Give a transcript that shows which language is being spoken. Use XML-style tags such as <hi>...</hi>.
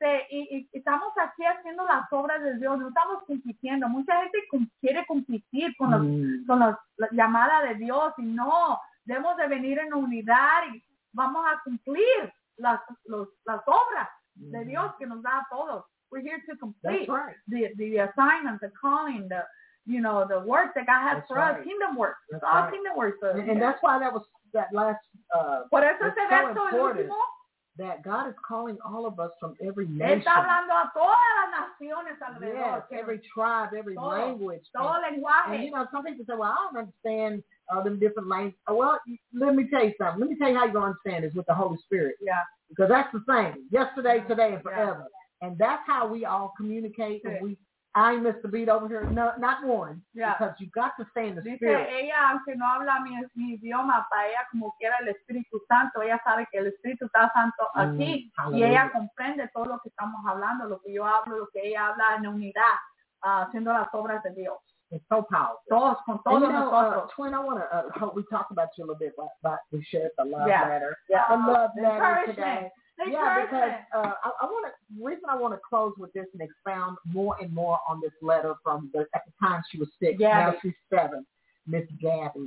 <es>Y estamos aquí haciendo las obras de Dios, no estamos compitiendo. Mucha gente quiere competir con la llamada de Dios, y no, debemos de venir en unidad y vamos a cumplir las obras. De Dios que nos da a todos.</es> <en>We're here to complete the assignment, the calling, the work that God has for us. Kingdom work. That's all right. Kingdom work. So, and that's why that was that last.</en> <es>Por eso se ve</es> <en>so important that God is calling all of us from every nation.</en> <es>Está hablando a todas las naciones alrededor.</es> <en>Yes, every tribe, every language.</en> <es>Todo lenguaje.</es> <en>And you know, some people say, "Well, I don't understand them different languages." Well, let me tell you something. Let me tell you how you understand this with the Holy Spirit. Yeah. Because that's the same, yesterday, today, and forever. And that's how we all communicate. And we, I miss the beat over here. No, not one. Yeah. Because you got to stay in the</en> <es>Dice,</es> <en>spirit.</en> <es>Ella, aunque no habla mi idioma, para ella como quiera el Espíritu Santo. Ella sabe que el Espíritu está santo aquí.</es> <en>Hallelujah.</en> <es>Y ella comprende todo lo que estamos hablando, lo que yo hablo, lo que ella habla en unidad, haciendo las obras de Dios.</es> <en>It's so powerful.</en> <es>Todos, con todos</es> <en>you know,</en> <es>nosotros.</es> <en>Twin, I want to we talked about you a little bit, but we shared the love letter. Yeah. The love letter today. Encouragement. Yeah, because I want to close with this and expound more and more on this letter from at the time she was six. Yeah. Now she's seven. Miss Gabby.</en>